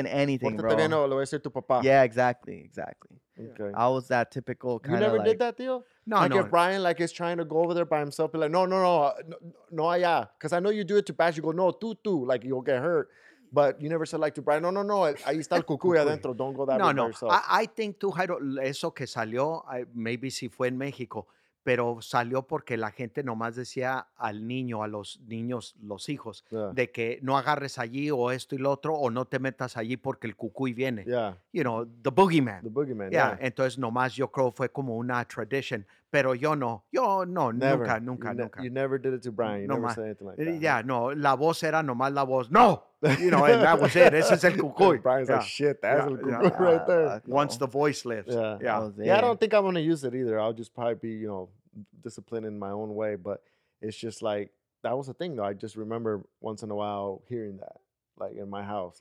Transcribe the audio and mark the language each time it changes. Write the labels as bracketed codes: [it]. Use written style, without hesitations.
[en] in anything, bro. [es] Terreno, lo voy a hacer tu papá. [en] Yeah, exactly. Yeah. Okay. I was that typical kind of. You never like, did that deal? No. Like if Brian like is trying to go over there by himself, be like, [es] no, allá. [en] Because I know you do it to Bash. You go, [es] no, tú, [en] like you'll get hurt. But you never said like to Brian, [es] no, ahí está el cucuy adentro. [en] Don't go that way yourself. No, I think [es] tú, Jairo, eso que salió, [en] maybe [es] si fue en México, pero salió porque la gente nomás decía al niño, a los niños, los hijos, de que no agarres allí o esto y lo otro, o no te metas allí porque el cucuy viene. [en] Yeah. You know, the boogeyman. The boogeyman, yeah. [es] Entonces nomás yo creo fue como una tradition. Pero yo no, [en] never. [es] nunca. [en] You never did it to Brian. You never said anything like that. [es] Yeah, no, la voz era nomás la voz. [en] ¡No! You know, and that was it. [es] Ese es el cucuy. [en] Brian's like, shit, that's el cucuy right there. Once the voice lifts. I don't think I'm going to use it either. I'll just probably be, you know, disciplined in my own way. But it's just like, that was the thing, though. I just remember once in a while hearing that, like in my house.